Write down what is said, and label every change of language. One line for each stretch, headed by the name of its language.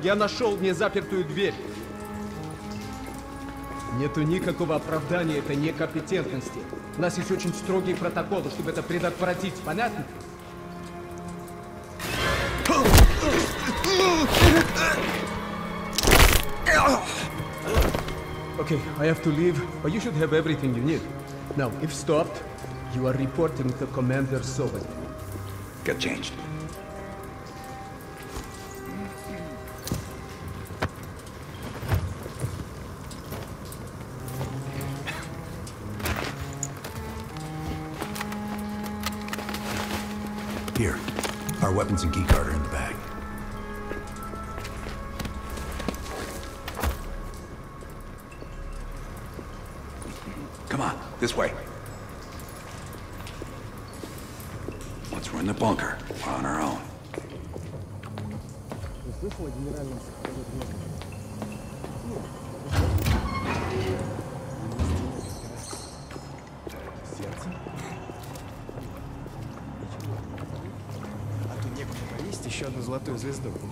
Russian: Я нашел незапертую дверь. Нету никакого оправдания этой некомпетентности. У нас есть очень строгие протоколы, чтобы это предотвратить. Понятно?
English: Okay, I have to leave, but you should have everything you need. Now, if stopped, you are reporting to Commander Sobel. Get changed. Here, our weapons and keycard are in the bag. This way. Once we're in the bunker, we're on our own.
Russian: А тут некуда повесить еще одну золотую звезду.